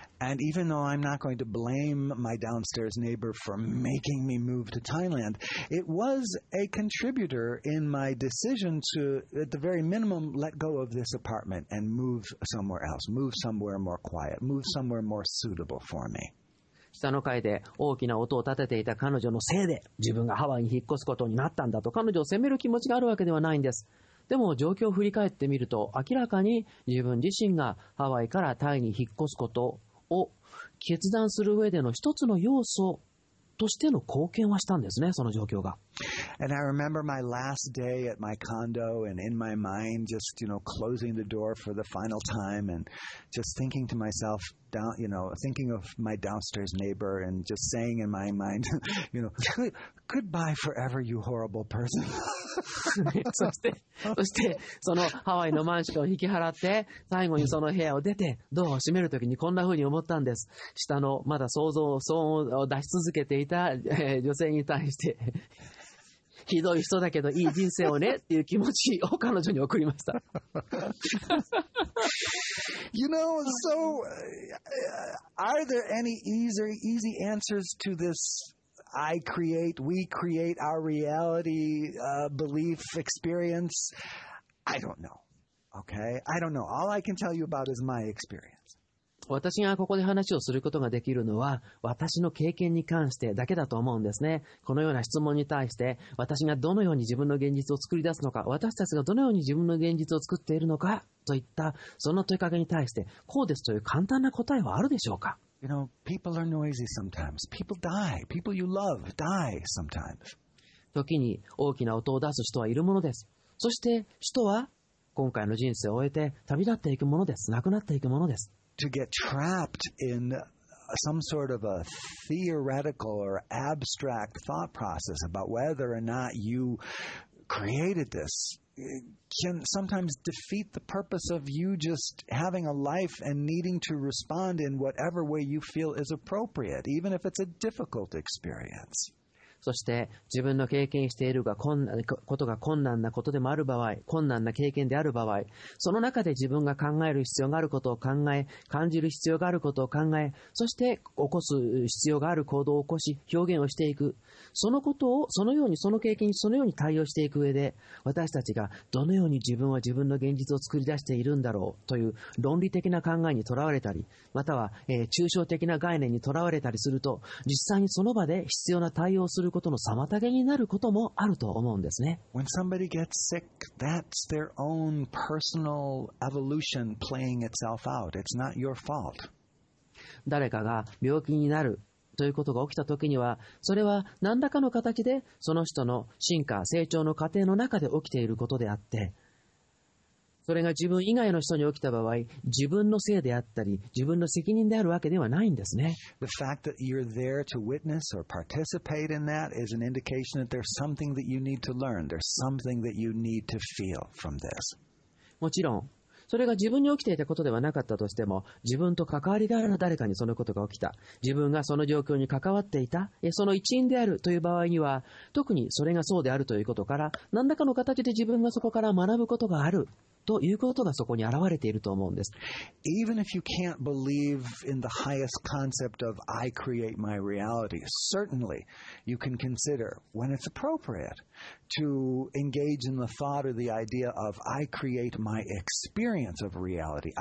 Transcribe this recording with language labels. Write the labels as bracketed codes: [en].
[en] And even though I'm not going to blame my downstairs neighbor for making me move to Thailand, it was a contributor in my decision to, at the very minimum, let go of this apartment and move somewhere else, move somewhere more quiet, move somewhere more suitable for me. [ja] 下の階で大きな音を立てていた彼女のせいで自分がハワイに引っ越すことになったんだと彼女を責める気持ちがあるわけではないんです。でも状況を振り返ってみると明らかに自分自身がハワイからタイに引っ越すことを決断する上での一つの要素としての貢献はしたんですね、その状況が。 [en] And I remember my last day at my condo and in my mind just, you know, closing the door for the final time and just thinking to myself, down, you know, thinking of my downstairs neighbor and just saying in my mind, you know, goodbye forever, you horrible person. [ja] そしてそのハワイのマンションを引き払って最後にその部屋を出てドアを閉めるときにこんな風に思ったんです。下のまだ想像騒音を出し続けていた、女性に対してひどい人だけどいい人生をねっていう気持ちを彼女に送りました。 [en] You know, so are there any easy answers to this I create, we create our reality, belief, experience? I don't know. Okay? I don't know. All I can tell you about is my experience. [ja] 私がここで話をすることができるのは私の経験に関してだけだと思うんですね。このような質問に対して私がどのように自分の現実を作り出すのか、私たちがどのように自分の現実を作っているのかといったその問いかけに対してこうですという簡単な答えはあるでしょうか。 [en] You know, people are noisy sometimes. People die. People you love die sometimes. [ja] 時に大きな音を出す人はいるものです。そして人は今回の人生を終えて旅立っていくものです。亡くなっていくものです。 [en] To get trapped in some sort of a theoretical or abstract thought process about whether or not you created this can sometimes defeat the purpose of you just having a life and needing to respond in whatever way you feel is appropriate, even if it's a difficult experience. [ja] そして自分の経験しているがことが困難なことでもある場合、困難な経験である場合、その中で自分が考える必要があることを考え、感じる必要があることを考え、そして起こす必要がある行動を起こし表現をしていく、そのことをそのようにその経験にそのように対応していく上で、私たちがどのように自分は自分の現実を作り出しているんだろうという論理的な考えにとらわれたり、または、抽象的な概念にとらわれたりすると、実際にその場で必要な対応をすることの妨げになることもあると思うんですね。 [en] When somebody gets sick, that's their own personal evolution playing itself out. It's not your fault. [ja] 誰かが病気になるということが起きたときには、それは何らかの形でその人の進化、成長の過程の中で起きていることであって、それが自分以外の人に起きた場合、自分のせいであったり、自分の責任であるわけではないんですね。 [en] The fact that you're there to witness or participate in that is an indication that there's something that you need to learn. There's something that you need to feel from this. [ja] もちろん、それが自分に起きていたことではなかったとしても、自分と関わりがある誰かにそのことが起きた、自分がその状況に関わっていた、その一員であるという場合には、特にそれがそうであるということから、何らかの形で自分がそこから学ぶことがある。ということがそこに現れていると思うんです。 [en] Even if you can't believe in the highest concept of I create my reality, certainly you can consider when it's appropriate to engage in the thought or the idea of I create my experience of reality.